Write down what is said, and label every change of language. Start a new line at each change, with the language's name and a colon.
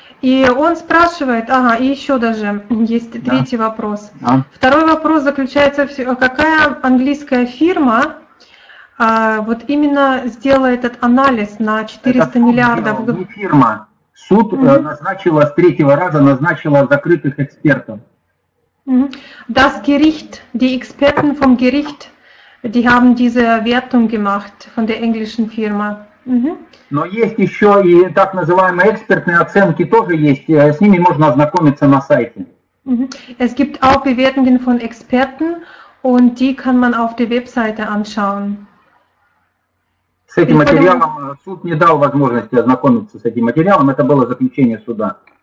Russian: И он спрашивает, ага, и еще даже есть третий вопрос. Да. Второй вопрос заключается, какая английская фирма Вот именно сделала этот анализ на 400 миллиардов. Это фирма. Суд назначила с третьего раза назначила закрытых экспертов.
German: Das Gericht, die Experten vom Gericht, die haben diese Wertung gemacht von der englischen Firma.
Russian: Но есть еще и так называемые экспертные оценки тоже есть. С ними можно ознакомиться на сайте.
German: Es gibt auch Bewertungen von Experten und die kann man auf der Webseite anschauen.
Russian: С этим материалом суд не дал возможности ознакомиться с этим материалом. Это было заключение суда.